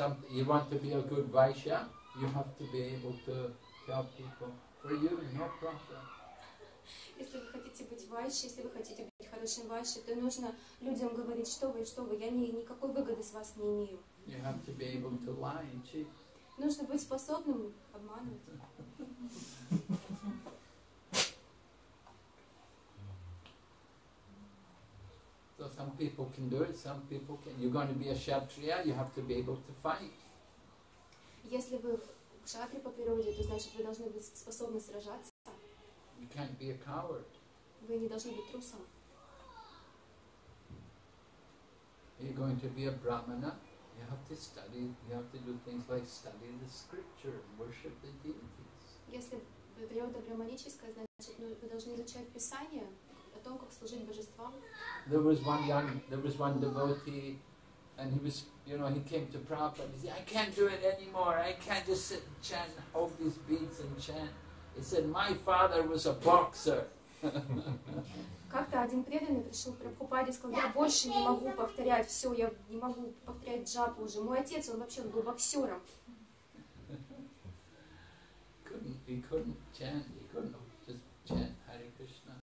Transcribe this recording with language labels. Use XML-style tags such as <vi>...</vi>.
<en>You want to be a good Vaishya, you have to be able to help people. For you, no problem.</en> <ru>Если вы хотите быть Вайши, если вы хотите быть хорошим Вайши, то нужно людям говорить, что вы, я никакой выгоды с вас не имею.</ru> <en>You have to be able to lie and cheat.</en> <ru>Нужно быть способным обманывать.</ru> <en>So some people can do it, some people can. You're going to be a Kshatriya, you have to be able to fight.</en> <ru>Если вы Кшатри по природе, то значит вы должны быть способны сражаться.</ru> <en>You can't be a coward.</en> <ru>Вы не должны быть трусом.</ru> <en>You're going to be a brahmana. You have to study. You have to do things like study the scripture and worship the deities.</en> <ru>Если вы природа брахманическая, значит, вы должны изучать Писание о том, как служить божествам.</ru> <en>There was one devotee, and he was, you know, he came to Prabhupada. He said, "I can't do it anymore. I can't just sit and chant, hold these beads and chant." He said, "My father was a boxer."</en> <ru>Как-то один преданный пришел к Прабхупаде и сказал: "Я больше не могу повторять все, я не могу повторять джапу уже. Мой отец, он вообще был боксером."</ru> <en>He couldn't chant Hare Krishna.</en>